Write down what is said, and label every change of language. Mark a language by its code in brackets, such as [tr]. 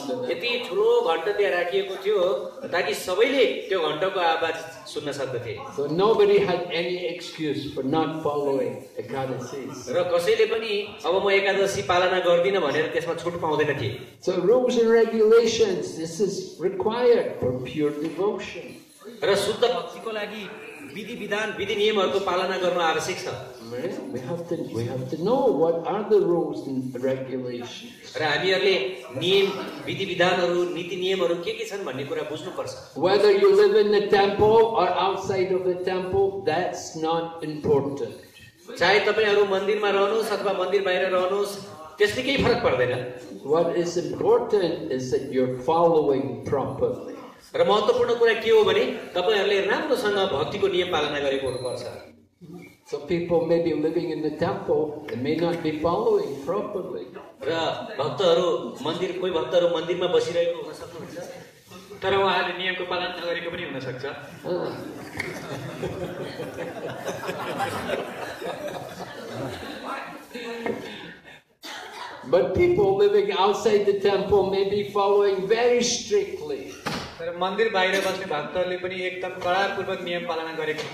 [ne] यति ठुलो घण्टा त्यहाँ राखिएको थियो ताकि सबैले त्यो घण्टाको आवाज सुन्न सक्दथे [en] So nobody had any excuse for not following Ekadasi. [ne] र कसैले पनि अब म एकादशी पालना गर्दिन भनेर त्यसमा छुट पाउँदैन थिए [en] So rules and regulations, this is required for pure devotion. [ne] र शुद्ध भक्तिको लागि विधि विधान विधि नियमहरूको पालना गर्नु आवश्यक छ [en] we have to know what are the rules and regulations [ne] र हामीहरुले नियम विधि विधानहरु नीति नियमहरु के छन् भन्ने कुरा बुझ्नु पर्छ [en] whether you live in the temple or outside of the temple that's not important [ne] चाहे तपाईहरु मन्दिरमा रहनुस् अथवा मन्दिर बाहिर रहनुस् त्यसले केही फरक पर्दैन [en] what is important is that you're following properly [ne] र महत्त्वपूर्ण कुरा के हो भने तपाईहरुले राम्रोसँग भक्तिको नियम पालना गरेको हुनुपर्छ [en] So people may be living in the temple and may not be following properly [ne] र भक्तहरु मन्दिर कोही भक्तहरु मन्दिरमा बसिरहेको हुन सक्छ तर उहाँले नियमको पालन नगरेको पनि हुन सक्छ [en] But people living outside the temple may be following very strictly [ne] तर मन्दिर बाहिर बस्ने भक्तहरूले पनि एकदम कडापूर्वक नियम पालना गरेको